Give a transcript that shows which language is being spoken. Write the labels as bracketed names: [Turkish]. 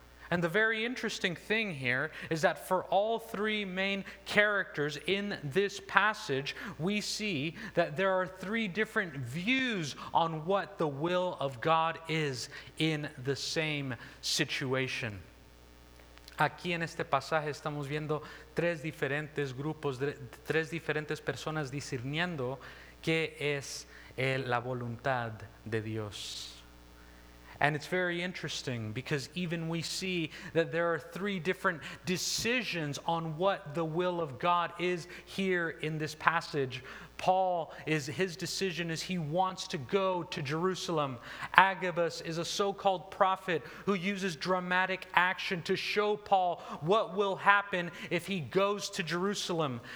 [English] And the very interesting thing here is that for all three main characters in this passage, we see that there are three different views on what the will of God is in the same situation. [Spanish] Aquí en este pasaje estamos viendo tres diferentes grupos, tres diferentes personas discerniendo qué es la voluntad de Dios. [English] And it's very interesting because even we see that there are three different decisions on what the will of God is here in this passage. Paul, his decision is he wants to go to Jerusalem. Agabus is a so-called prophet who uses dramatic action to show Paul what will happen if he goes to Jerusalem.